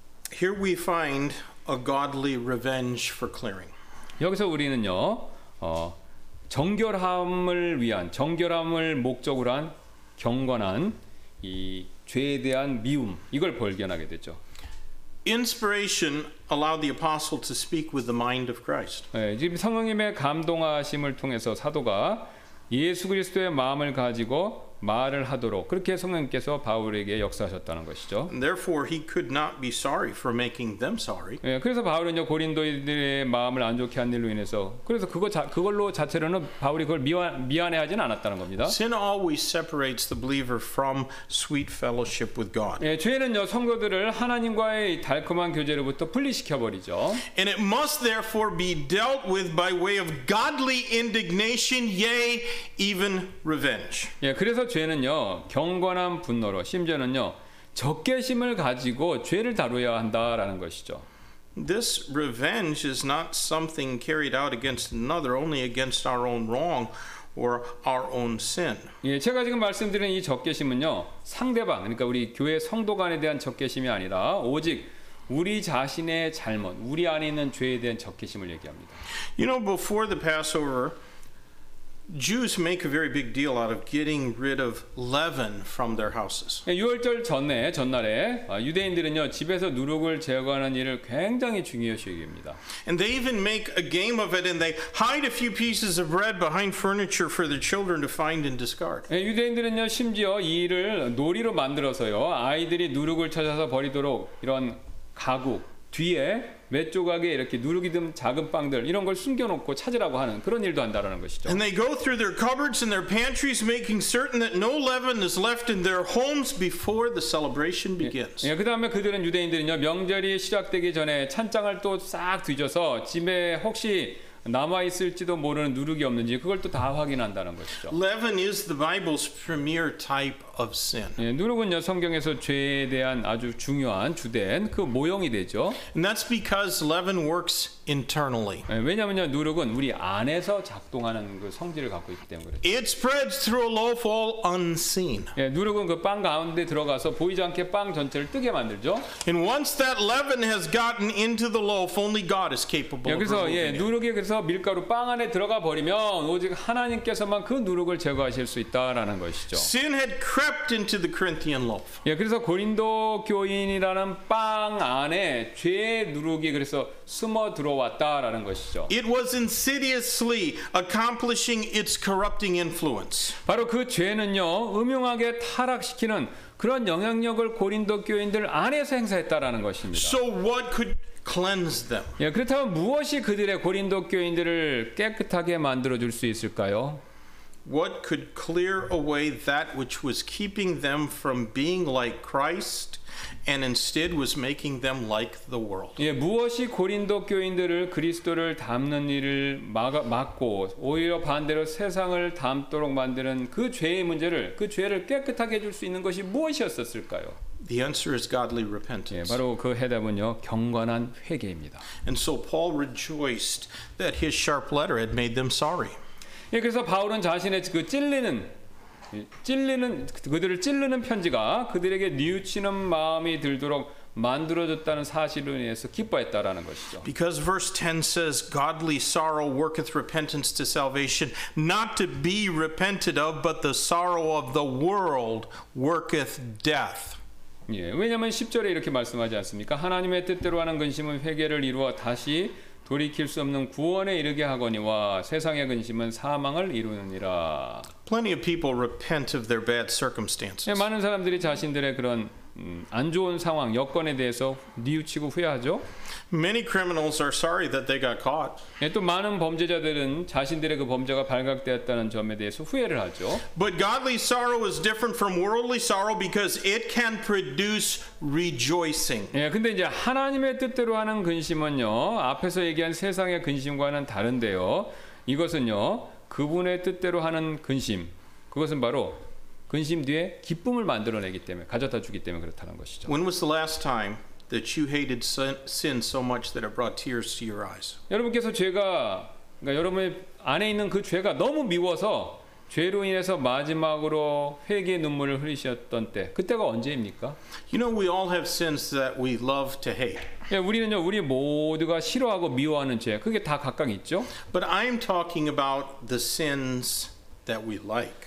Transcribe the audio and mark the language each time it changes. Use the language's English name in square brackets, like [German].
[English] Here we find a godly revenge for clearing. [Korean] 여기서 우리는요, 정결함을 위한, 정결함을 목적으로 한 경건한 이 죄에 대한 미움, 이걸 발견하게 되죠. [English] Inspiration allowed the apostle to speak with the mind of Christ. [Korean] 예, 지금 성령님의 감동하심을 통해서 사도가 예수 그리스도의 마음을 가지고 말을 하도록 그렇게 성령께서 바울에게 역사하셨다는 것이죠. [English] Therefore, he could not be sorry for making them sorry. [Korean] 예, 그래서 바울은요 고린도인들의 마음을 안 좋게 한 일로 인해서 그래서 그걸로 자체로는 바울이 그걸 미안해하지는 않았다는 겁니다. [English] Sin always separates the believer from sweet fellowship with God. [Korean] 예, 죄는요 성도들을 하나님과의 달콤한 교제로부터 분리시켜 버리죠. [English] And it must therefore be dealt with by way of godly indignation, yea, even revenge. [Korean] 예, 그래서 죄는요 경건한 분노로 심지어는요 적개심을 가지고 죄를 다루어야 한다라는 것이죠. [English] This revenge is not something carried out against another, only against our own wrong or our own sin. [Korean] 예, 제가 지금 말씀드리는 이 적개심은요 상대방 그러니까 우리 교회 성도간에 대한 적개심이 아니라 오직 우리 자신의 잘못, 우리 안에 있는 죄에 대한 적개심을 얘기합니다. [English] You know, before the Passover, Jews make a very big deal out of getting rid of leaven from their houses. [Korean] 유월절 전날에 유대인들은요 집에서 누룩을 제거하는 일을 굉장히 중요시 여깁니다. [English] And they even make a game of it, and they hide a few pieces of bread behind furniture for their children to find and discard. [Korean] 유대인들은요 심지어 이 일을 놀이로 만들어서요 아이들이 누룩을 찾아서 버리도록 이런 가구 뒤에 몇 조각에 이렇게 누룩이 든 작은 빵들 이런 걸 숨겨놓고 찾으라고 하는 그런 일도 한다라는 것이죠. [English] And they go through their cupboards and their pantries, making certain that no leaven is left in their homes before the celebration begins. [Korean] 예, 그 다음에 그들은 유대인들은요 명절이 시작되기 전에 찬장을 또 싹 뒤져서 집에 혹시 남아 있을지도 모르는 누룩이 없는지 그걸 또 다 확인한다는 것이죠. [English] Leaven is the Bible's premier type of sin. [Korean] 예, 누룩은요 성경에서 죄에 대한 아주 중요한 주된 그 모형이 되죠. [English] And that's because leaven works internally. [Korean] 예, 왜냐면요 누룩은 우리 안에서 작동하는 그 성질을 갖고 있기 때문에 그렇죠. [English] It spreads through a loaf all unseen. [Korean] 예, 누룩은 그 빵 가운데 들어가서 보이지 않게 빵 전체를 뜨게 만들죠. [English] And once that leaven has gotten into the loaf, only God is capable. [Korean] 예, 그래서 [English] of removing [Korean] 예, 누룩이 그래서 밀가루 빵 안에 들어가 버리면 오직 하나님께서만 그 누룩을 제거하실 수 있다라는 것이죠. [English] Sin had crept into the Corinthian loaf. [Korean] 예, 그래서 고린도 교인이라는 빵 안에 죄의 누룩이 그래서 숨어 들어왔다라는 것이죠. [English] It was insidiously accomplishing its corrupting influence. [Korean] 바로 그 죄는요 음흉하게 타락시키는 그런 영향력을 고린도 교인들 안에서 행사했다라는 것입니다. [English] So what could cleanse them? [Korean] 예, 그렇다면 무엇이 그들의 고린도 교인들을 깨끗하게 만들어 줄 수 있을까요? [English] What could clear away that which was keeping them from being like Christ and instead was making them like the world? [Korean] 예, 무엇이 고린도 교인들을 그리스도를 닮는 일을 막고 오히려 반대로 세상을 닮도록 만드는 그 죄의 문제를 그 죄를 깨끗하게 해 줄 수 있는 것이 무엇이었을까요? [English] The answer is godly repentance. [Korean] 예, 바로 그 해답은요 경건한 회개입니다. [English] And so Paul rejoiced that his sharp letter had made them sorry. [Korean] 예, 그래서 바울은 자신의 그 찔리는 찔리는 그들을 찔르는 편지가 그들에게 뉘우치는 마음이 들도록 만들어졌다는 사실로 인해서 기뻐했다라는 것이죠. [English] Because verse 10 says, "Godly sorrow worketh repentance to salvation, not to be repented of, but the sorrow of the world worketh death." [Korean] 예, 왜냐하면 10절에 이렇게 말씀하지 않습니까? 하나님의 뜻대로 하는 근심은 회개를 이루어 다시 돌이킬 수 없는 구원에 이르게 하거니와 세상의 근심은 사망을 이루느니라. [English] Plenty of people repent of their bad circumstances. [Korean] 예, 많은 사람들이 자신들의 그런 안 좋은 상황, 여건에 대해서 뉘우치고 후회하죠. [English] Many criminals are sorry that they got caught. [Korean] 예, 또 많은 범죄자들은 자신들의 그 범죄가 발각되었다는 점에 대해서 후회를 하죠. [English] But godly sorrow is different from worldly sorrow because it can produce rejoicing. [Korean] 예, 근데 이제 하나님의 뜻대로 하는 근심은요, 앞에서 얘기한 세상의 근심과는 다른데요. 이것은요, 그분의 뜻대로 하는 근심. 그것은 바로 근심 뒤에 기쁨을 만들어내기 때문에 가져다 주기 때문에 그렇다는 것이죠. [English] When was the last time that you hated sin so much that it brought tears to your eyes? [Korean] 여러분께서 죄가 그러니까 여러분의 안에 있는 그 죄가 너무 미워서 죄로 인해서 마지막으로 회개의 눈물을 흘리셨던 때 그때가 언제입니까? [English] You know we all have sins that we love to hate. [Korean] 예, 우리는요 우리 모두가 싫어하고 미워하는 죄 그게 다 각각 있죠. [English] But I'm talking about the sins that we like.